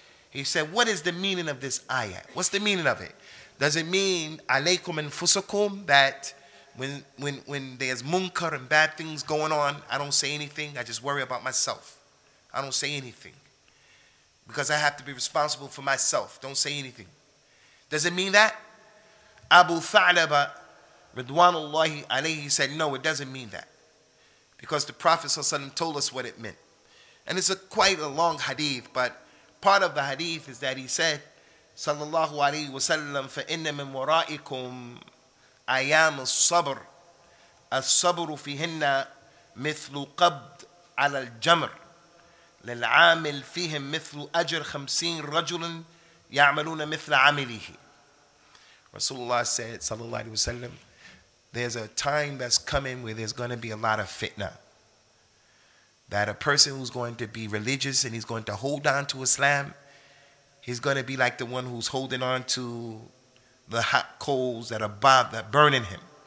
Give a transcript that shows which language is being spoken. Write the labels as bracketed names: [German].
[English] He said, what is the meaning of this ayat? What's the meaning of it? Does it mean alaykum anfusakum, that when there's munkar and bad things going on, I don't say anything, I just worry about myself. I don't say anything, because I have to be responsible for myself. Don't say anything. Does it mean that? Abu Thalaba, Ridwanullahi alayhi, said, no, it doesn't mean that. Because the Prophet ﷺ told us what it meant. And it's quite a long hadith, but part of the hadith is that he said, sallallahu alayhi wa sallam, [Arabic] فَإِنَّ مِنْ وَرَائِكُمْ أَيَامُ الصَّبْرُ الصَّبْرُ فِيهِنَّ مِثْلُ قَبْدْ عَلَى الْجَمْرِ لِلْعَامِلْ فِيهِمْ مِثْلُ أَجْرْ خَمْسِينَ رَجُلٌ يَعْمَلُونَ مِثْلَ عَمِلِهِ. [English] Rasulullah said, sallallahu alayhi wa sallam, there's a time that's coming where there's going to be a lot of fitna. That a person who's going to be religious and he's going to hold on to Islam, he's going to be like the one who's holding on to the hot coals that are above, that burning him.